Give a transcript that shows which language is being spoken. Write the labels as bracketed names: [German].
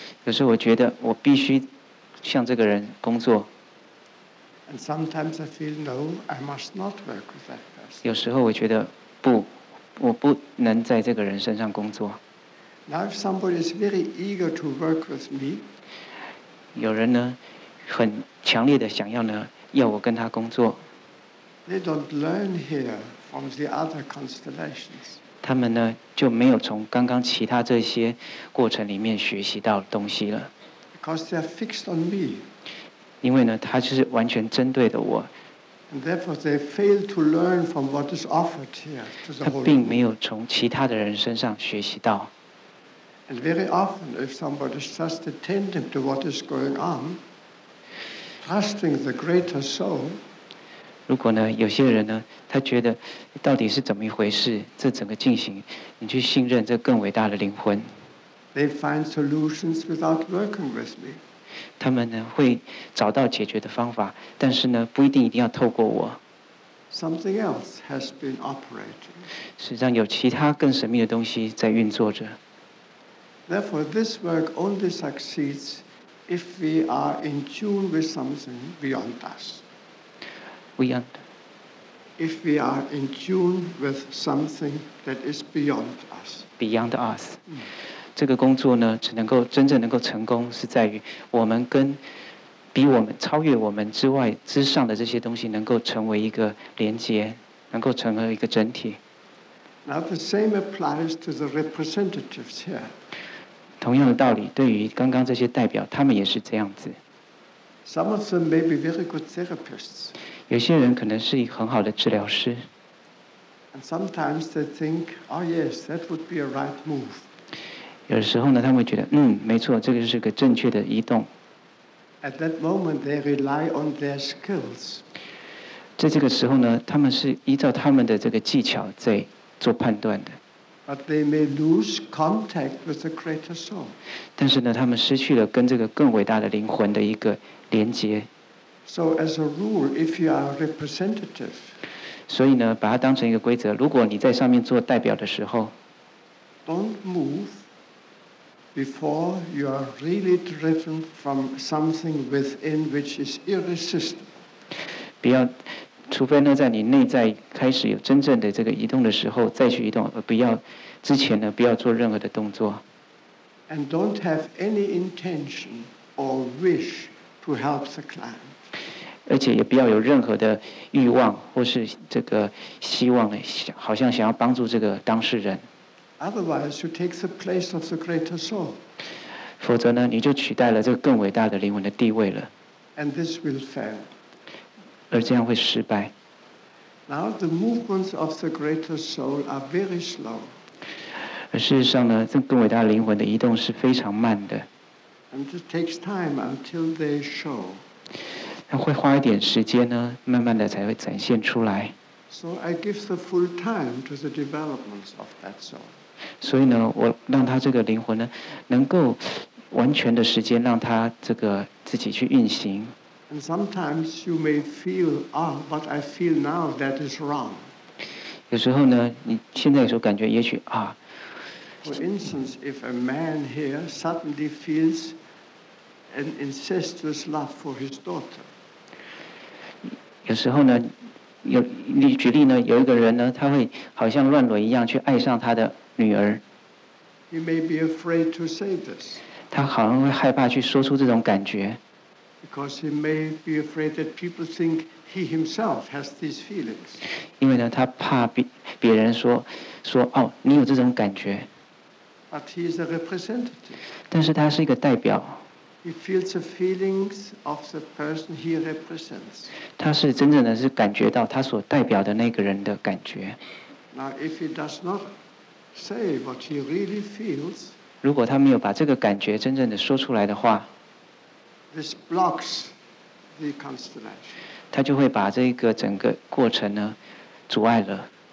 [Chinese] 有时候我觉得我必须向这个人工作。 [English] And sometimes I feel no, I must not work with that person. [Chinese] 有时候我觉得不，我不能在这个人身上工作。 [English] Now if somebody is very eager to work with me, [Chinese] 有人呢，很强烈的想要呢。要我跟他工作。 [English] They don't learn here from the other constellations. [Chinese] 他们呢就没有从刚刚其他这些过程里面学习到东西了。 [English] Because they are fixed on me. [Chinese] 因为呢，他就是完全针对的我。 [English] And therefore they fail to learn from what is offered here to the whole. [Chinese] 他并没有从其他的人身上学习到。 [English] And very often, if somebody is just attentive to what is going on. Trusting the greater soul. [Chinese] 如果呢，有些人呢，他觉得到底是怎么一回事？这整个进行，你去信任这更伟大的灵魂。 [English] They find solutions without working with me. [Chinese] 他们呢会找到解决的方法，但是呢不一定一定要透过我。 [English] something else has been operating. [Chinese] 实际上有其他更神秘的东西在运作着。 [English] Therefore, this work only succeeds if we are in tune with something beyond us. Beyond. If we are in tune with something that is beyond us. Beyond us.、 [Chinese] 嗯、这个工作呢，只能够真正能够成功，是在于我们跟比我们超越我们之外之上的这些东西能够成为一个连接，能够成为一个整体。 [English] Now the same applies to the representatives here. [Chinese] 同样的道理，对于刚刚这些代表，他们也是这样子。 [English] Some of them may be very good therapists. [Chinese] 有些人可能是很好的治疗师。 [English] And sometimes they think, oh yes, that would be a right move. [Chinese] 有时候呢，他们会觉得，嗯，没错，这个是个正确的移动。 [English] At that moment, they rely on their skills. [Chinese] 在这个时候呢，他们是依照他们的这个技巧在做判断的。 [English] But they may lose contact with the greater soul. [Chinese] 但是呢，他们失去了跟这个更伟大的灵魂的一个连接。 [English] So as a rule, if you are a representative, [Chinese] 所以呢，把它当成一个规则。如果你在上面做代表的时候 [English] ，Don't move. Before you are really driven from something within which is irresistible. [Chinese] 不要，除非呢，在你内在开始有真正的这个移动的时候，再去移动，而不要之前呢，不要做任何的动作。 [English] And don't have any intention or wish to help the client. [Chinese] 而且也不要有任何的欲望或是这个希望呢，好像想要帮助这个当事人。 [English] Otherwise, you take the place of the greater soul. [Chinese] 否则呢，你就取代了这个更伟大的灵魂的地位了。 [English] And this will fail. [Chinese] 而这样会失败。 [English] Now the movements of the greater soul are very slow. [Chinese] 而事实上呢，这更伟大的灵魂的移动是非常慢的。 [English] And it takes time until they show. [Chinese] 它会花一点时间呢，慢慢的才会展现出来。 [English] So I give the full time to the developments of that soul. [Chinese] 所以呢，我让他这个灵魂呢，能够完全的时间让他这个自己去运行。 [English] And sometimes you may feel, ah, what I feel now, that is wrong. [Chinese] 有时候呢，你现在有时候感觉也许啊。 [English] For instance, if a man here suddenly feels an incestuous love for his daughter. [Chinese] 有时候呢。有你举例呢？有一个人呢，他会好像乱伦一样去爱上他的女儿。 [English] He may be afraid to say this. [Chinese] 他好像会害怕去说出这种感觉。 [English] Because he may be afraid that people think he himself has these feelings. [Chinese] 因为呢，他怕别人说哦，你有这种感觉。 [English] But he is a representative. [Chinese] 但是他是一个代表。 [English] He feels the feelings of the person he represents. [Chinese] 他是真正的是感觉到他所代表的那个人的感觉。 [English] Now, if he does not say what he really feels, [Chinese] 如果他没有把这个感觉真正的说出来的话 [English] ，this blocks the constellation. [Chinese] 他就会把这个整个过程呢阻碍了。